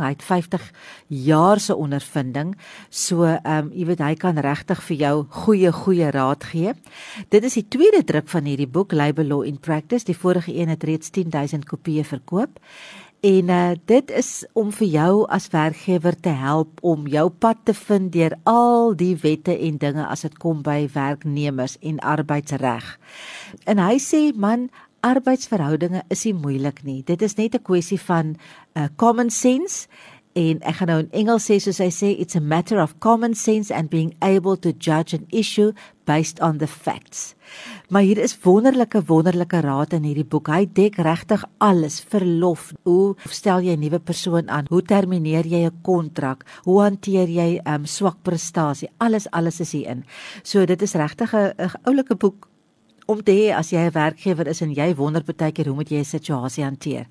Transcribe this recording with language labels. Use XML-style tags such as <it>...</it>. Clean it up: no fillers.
<af>Hy het 50 jaar se ondervinding, so jy weet, hy kan regtig vir jou goeie raad gee. Dit is die tweede druk van hierdie boek, Labour Law in Practice. Die vorige een het reeds 10,000 kopieë verkoop. En dit is om vir jou as werkgewer te help om jou pad te vind deur al die wette en dinge as het kom by werknemers en arbeidsreg. En hy sê, man, arbeidsverhoudinge is nie moeilik nie. Dit is net 'n kwessie van common sense. En ek gaan nou in Engels sê, soos hy sê,</af> <en>it's a matter of common sense and being able to judge an issue based on the facts.</en> <af>Maar hier is wonderlike raad in hierdie boek. Hy dek regtig alles, verlof, hoe stel jy 'n nuwe persoon aan, hoe termineer jy 'n kontrak, hoe hanteer jy swak prestasie, alles is hierin. So dit is regtig 'n oulike boek om te hê as jy 'n werkgewer is en jy wonder partykeer hoe moet jy 'n situasie hanteer.</af>